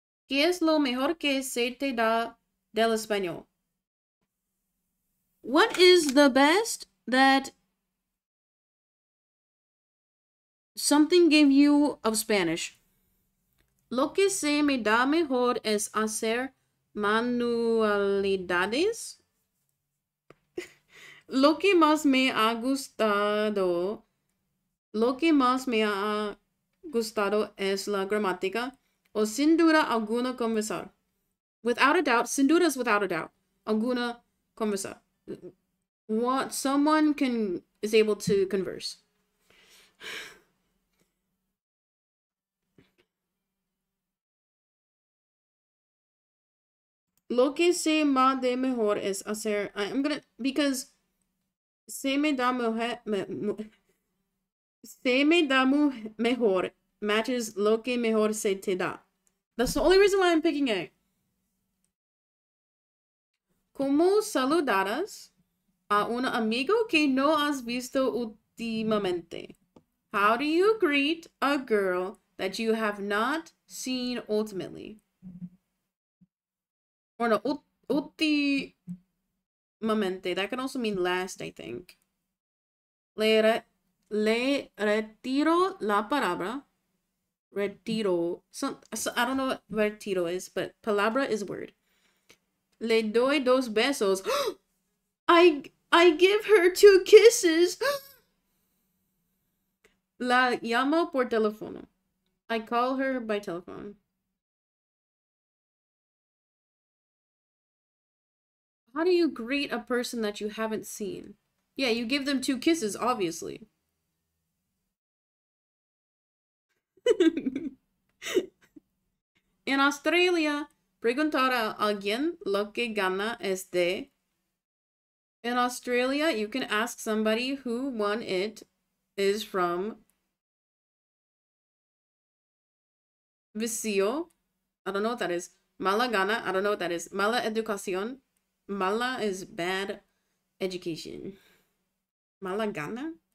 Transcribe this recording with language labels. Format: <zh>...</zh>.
<es>¿Qué es lo mejor que se te da del español?</es> <en>What is the best that something gave you of Spanish?</en> <es>Lo que se me da mejor es hacer manualidades. Lo que más me ha gustado, lo que más me ha gustado es la gramática. O sin duda alguna conversar.</es> <en>Without a doubt,</en> <es>sin duda es</es> <en>without a doubt.</en> <es>Alguna conversar.</es> <en>What someone can is able to converse.</en> <es>Lo que se me da mejor es hacer.</es> <en>I am gonna because</en> <es>se me da mejor</es> <en>matches</en> <es>lo que mejor se te da.</es> <en>That's the only reason why I'm picking it.</en> <es>¿Cómo saludarás a un amigo que no has visto últimamente?</es> <en>How do you greet a girl that you have not seen ultimately? Or no, últimamente. That can also mean last, I think.</en> <es>Le retiro la palabra.</es> <en>Retiro. I don't know what retiro is, but palabra is word.</en> <es>Le doy dos besos.</es> <en>I give her two kisses.</en> <es>La llamo por teléfono.</es> <en>I call her by telephone. How do you greet a person that you haven't seen? Yeah, you give them two kisses, obviously.</en> <es>In Australia, preguntar a alguien lo que gana es de.</es> <en>In Australia, you can ask somebody who won it is from Vicio. I don't know what that is. Mala gana. I don't know what that is.</en> <es>Mala educación.</es> <en>Mala is bad education. Mala gana?</en>